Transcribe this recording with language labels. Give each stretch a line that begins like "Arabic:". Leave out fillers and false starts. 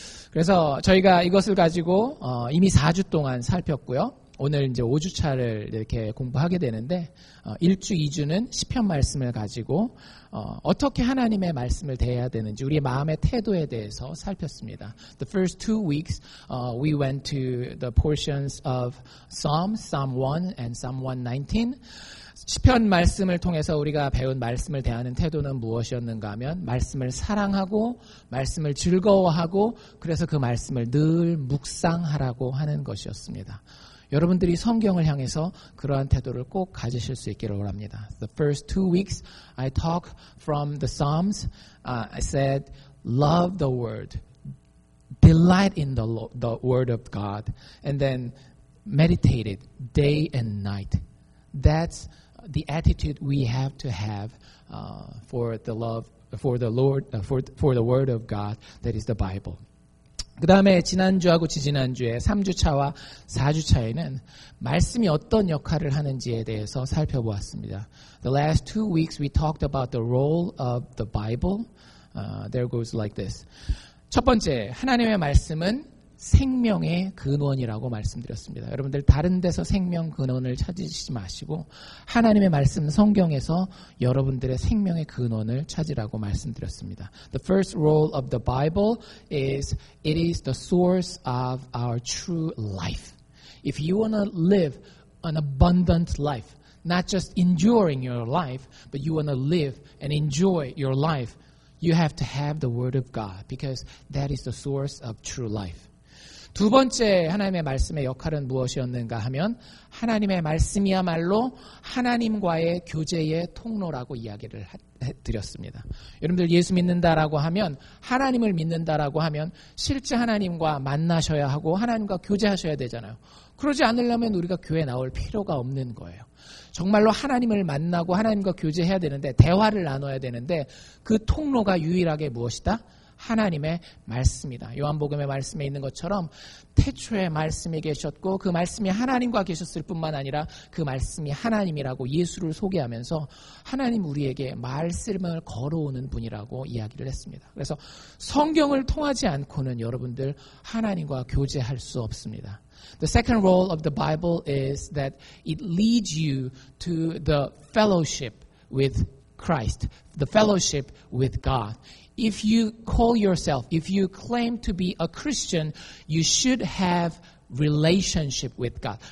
Korean: 그래서 저희가 이것을 가지고 이미 4주 동안 살폈고요. 오늘 이제 5주차를 이렇게 공부하게 되는데 1주, 2주는 시편 말씀을 가지고 어떻게 하나님의 말씀을 대해야 되는지 우리의 마음의 태도에 대해서 살폈습니다.
English: The first two weeks, we went to the portions of Psalm 1 and Psalm 119.
Korean: 시편 말씀을 통해서 우리가 배운 말씀을 대하는 태도는 무엇이었는가 하면 말씀을 사랑하고 말씀을 즐거워하고 그래서 그 말씀을 늘 묵상하라고 하는 것이었습니다. 여러분들이 성경을 향해서 그러한 태도를 꼭 가지실 수 있기를 원합니다.
English: The first two weeks I talk from the Psalms. I said love the word. Delight in the word of God and then meditate it day and night. That's the attitude we have to have for the love for the Lord for the word of God that is the Bible.
Korean: 그다음에 지난주하고 지지난주에 3주차와 4주차에는 말씀이 어떤 역할을 하는지에 대해서 살펴보았습니다.
English: The last two weeks we talked about the role of the Bible. There goes like this.
Korean: 첫 번째, 하나님의 말씀은 생명의 근원이라고 말씀드렸습니다. 여러분들 다른 데서 생명 근원을 찾으시지 마시고 하나님의 말씀 성경에서 여러분들의 생명의 근원을 찾으라고 말씀드렸습니다.
English: The first role of the Bible is it is the source of our true life. If you want to live an abundant life, not just enduring your life, but you want to live and enjoy your life, you have to have the word of God because that is the source of true life.
Korean: 두 번째 하나님의 말씀의 역할은 무엇이었는가 하면 하나님의 말씀이야말로 하나님과의 교제의 통로라고 이야기를 해드렸습니다. 여러분들 예수 믿는다라고 하면 하나님을 믿는다라고 하면 실제 하나님과 만나셔야 하고 하나님과 교제하셔야 되잖아요. 그러지 않으려면 우리가 교회 나올 필요가 없는 거예요. 정말로 하나님을 만나고 하나님과 교제해야 되는데 대화를 나눠야 되는데 그 통로가 유일하게 무엇이다? 하나님의 말씀이다. 요한복음의 말씀에 있는 것처럼 태초에 말씀이 계셨고 그 말씀이 하나님과 계셨을 뿐만 아니라 그 말씀이 하나님이라고 예수를 소개하면서 하나님 우리에게 말씀을 걸어오는 분이라고 이야기를 했습니다. 그래서 성경을 통하지 않고는 여러분들 하나님과 교제할 수 없습니다.
English: The second role of the Bible is that it leads you to the fellowship with Christ, the fellowship with God. If you call yourself, if you claim to be a Christian, you should have relationship with God.